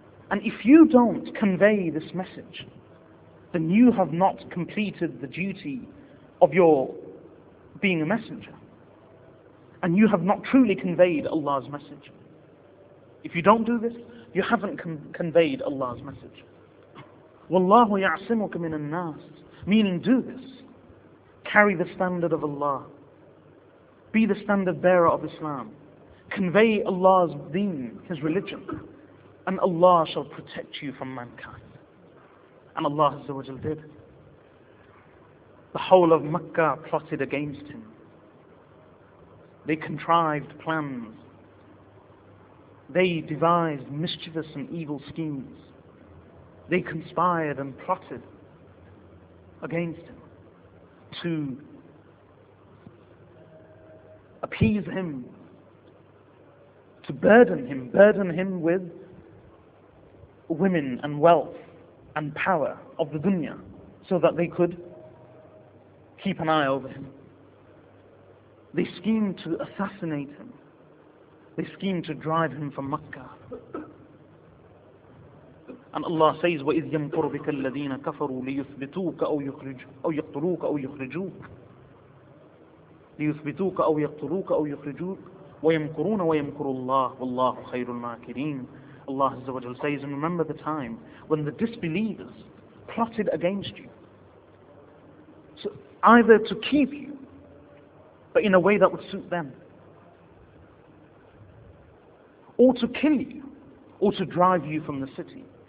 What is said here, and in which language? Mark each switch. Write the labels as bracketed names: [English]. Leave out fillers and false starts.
[English] And if you don't convey this message, then you have not completed the duty of your being a messenger. And you have not truly conveyed Allah's message. If you don't do this, you haven't conveyed Allah's message. [Arabic] وَاللَّهُ يَعْصِمُكَ مِنَ النَّاسِ, [English] meaning do this. Carry the standard of Allah. Be the standard bearer of Islam. Convey Allah's deen, His religion. And Allah shall protect you from mankind. And Allah Azza wa Jal did. The whole of Makkah plotted against him. They contrived plans. They devised mischievous and evil schemes. They conspired and plotted against him to appease him, to burden him with women and wealth and power of the dunya, so that they could keep an eye over him. They schemed to assassinate him. They schemed to drive him from Makkah. And Allah says, [Arabic] وَإِذْ يَمْكُرُ بِكَ الَّذِينَ كَفَرُوا لِيُثْبِتُوكَ أَوْ يَقْتُلُوكَ أَوْ يُخْرِجُوكَ لِيُثْبِتُوكَ أَوْ يَقْتُلُوكَ أَوْ يُخْرِجُوكَ وَيَمْكُرُونَ وَيَمْكُرُ اللَّهُ وَاللَّهُ خَيْرُ الْمَاكِرِينَ. [English] Allah Azza wa Jal says, and remember the time when the disbelievers plotted against you, so either to keep you, but in a way that would suit them, or to kill you, or to drive you from the city.